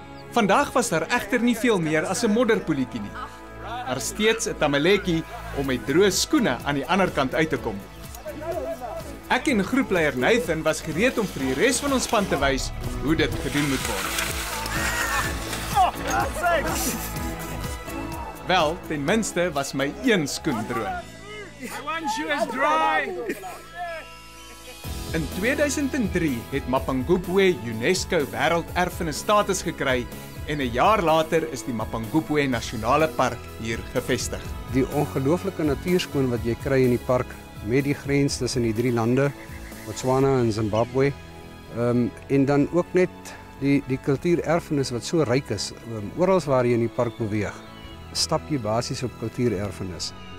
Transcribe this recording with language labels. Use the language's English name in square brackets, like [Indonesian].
[Afrikaans] Vandag was daar egter nie veel meer as 'n modderpoeletjie nie. Daar is steeds 'n tamaletjie om met droë skoene aan die ander kant uit te kom. Ek en groepleier Nathan was gereed om vir die res van ons span te wys hoe dit gedoen moet word. Wel, ten minste was my een skoen droog. [English] One shoe is dry. [Afrikaans] In 2003 het Mapungubwe UNESCO wêrelderfenis status gekry en 'n jaar later is die Mapungubwe Nasionale Park hier gevestig. Die ongelooflike natuurskoon wat jy kry in die park met die grens tussen die drie lande, Botswana en Zimbabwe, en dan ook net die kultuurerfenis wat so ryk is, oral waar jy in die park beweeg, stap jy basies op kultuurerfenis.